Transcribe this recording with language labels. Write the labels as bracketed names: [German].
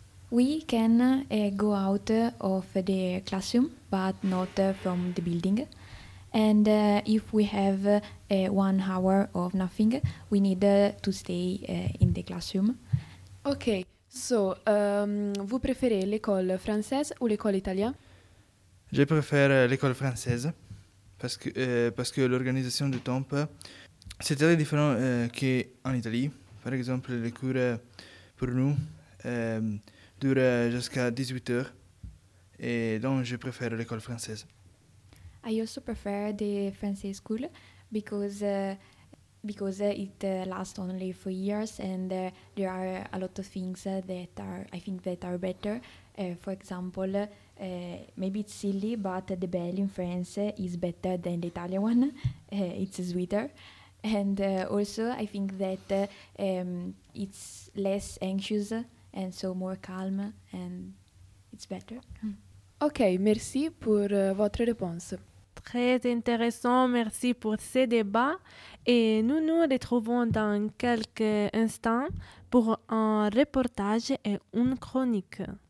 [English] We can go out of the classroom, but not from the building. And if we have 1 hour of nothing, we need to stay in the classroom. Okay, so [French] vous préférez l'école française ou l'école italienne? Je préfère l'école française. Parce que l'organisation du temps, c'est très différent qu'en Italie. Par exemple, les cours pour nous durent jusqu'à 18 heures. Et donc, je préfère l'école française. [English] I also prefer the French school because it lasts only 4 years and there are a lot of things that are, I think, that are better. For example, maybe it's silly, but the bell in France is better than the Italian one. It's sweeter. And also, I think that it's less anxious and so more calm and it's better. [French] Ok, merci pour votre réponse. Très intéressant, merci pour ces débats. Et nous nous retrouvons dans quelques instants pour un reportage et une chronique.